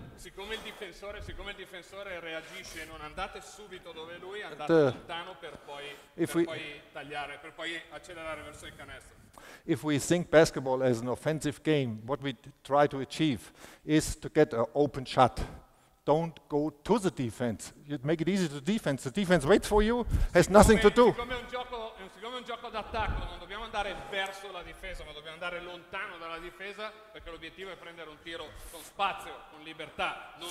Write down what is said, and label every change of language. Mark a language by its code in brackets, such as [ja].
[it] Siccome il difensore reagisce, non andate subito dove lui. Andate lontano per poi tagliare, per poi accelerare verso il canestro. [en] If we think basketball as an offensive game, what we try to achieve is to get an open shot. Don't go to the defense. You make it easy to defense. The defense waits for you, has nothing to do. [it] Siccome è un gioco d'attacco, non dobbiamo andare verso la difesa, ma dobbiamo andare lontano dalla difesa, perché l'obiettivo è prendere un tiro con spazio, con libertà, non dove